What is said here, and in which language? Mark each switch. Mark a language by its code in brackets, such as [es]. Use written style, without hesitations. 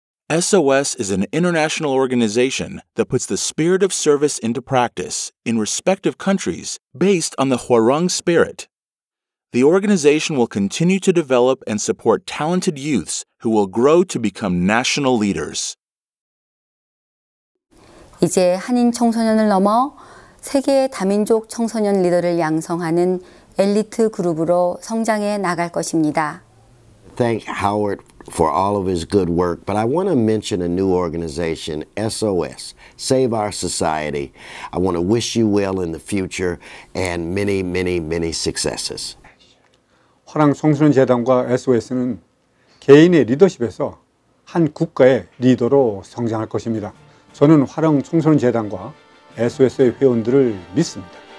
[en] SOS is an international organization that puts the spirit of service into practice in respective countries based on the Hwarang spirit. The organization will continue to develop and support talented youths who will grow to become national leaders. [ko] 이제 한인 청소년을 넘어 세계 다민족 청소년 리더를 양성하는 엘리트 그룹으로 성장해 나갈 것입니다. [en] Thank Howard for all of his good work, but I want to mention a new organization, SOS, Save Our Society. I want to wish you well in the future and many, many, many successes. [ko] 화랑 청소년재단과 SOS는 개인의 리더십에서 한 국가의 리더로 성장할 것입니다. 저는 화랑 청소년재단과 SOS의 회원들을 믿습니다.